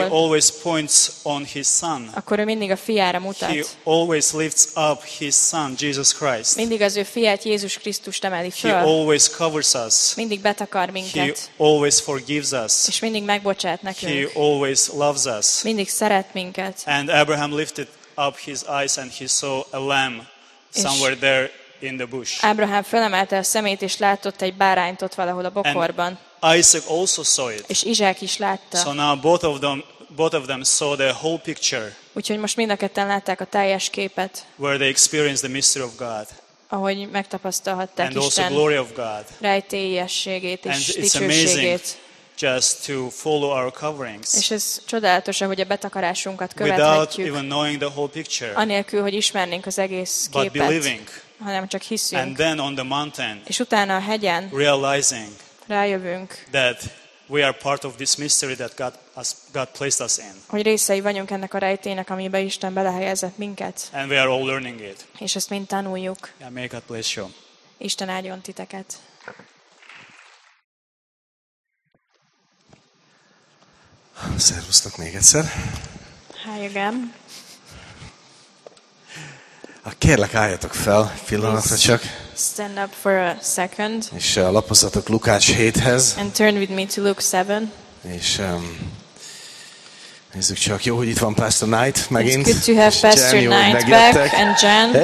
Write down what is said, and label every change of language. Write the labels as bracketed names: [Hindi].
[English] he always points on his son. [Hungarian] Akkor ő mindig a fiára mutat. [English] He always lifts up his son, Jesus Christ. [Hungarian] Mindig az ő fiát, Jézus Krisztust emeli föl. [English] He always covers us. [Hungarian] Mindig betakar minket. [English] He always forgives us. [Hungarian] És mindig megbocsát nekünk. [English] He always loves us. [Hungarian] Mindig szeret minket. [English] And Abraham lifted up his eyes and he saw a lamb somewhere there. In the bush. [Hungarian] Abraham felemelte a szemét és látott egy bárányt ott valahol a bokorban. [English] Isaac also saw it. [Hungarian] És Izsák is látta. [English] So now both of them saw the whole picture. [Hungarian] Úgyhogy most mind a ketten látták a teljes képet. [English] Where they experienced the mystery of God. [Hungarian] Ahogy megtapasztalhatták Isten. [English] And also the glory of God. [Hungarian] Rejtélyességét és dicsőségét. [English] Just to follow our coverings. [Hungarian] És ez csodálatos, hogy a betakarásunkat követhetjük. [English] Without even knowing the whole picture. [Hungarian] Anélkül, hogy ismernénk az egész képet. [English] But believing. [Hungarian] Hanem csak hiszünk. [English] And then on the mountain, [Hungarian] és utána a hegyen [English] realizing [Hungarian] rájövünk, [English] that we are part of this mystery that God placed us in. [Hungarian] Hogy részei vagyunk ennek a rejtének, amiben Isten belehelyezett minket. [English] And we are all learning it. [Hungarian] És ezt mind tanuljuk. [English] Yeah, may God bless you. [Hungarian] Isten áldjon titeket. Szervusztok még egyszer. [English] Hi again. [Hungarian] Kérlek, álljatok fel, pillanatra csak. [English] Stand up for a second. [Hungarian] És lapozzatok Lukács 7-hez. [English] And turn with me to Luke 7. [Hungarian] És nézzük csak, jó, hogy itt van Pastor Knight megint. [English] It's good to have Pastor Knight back and Jen.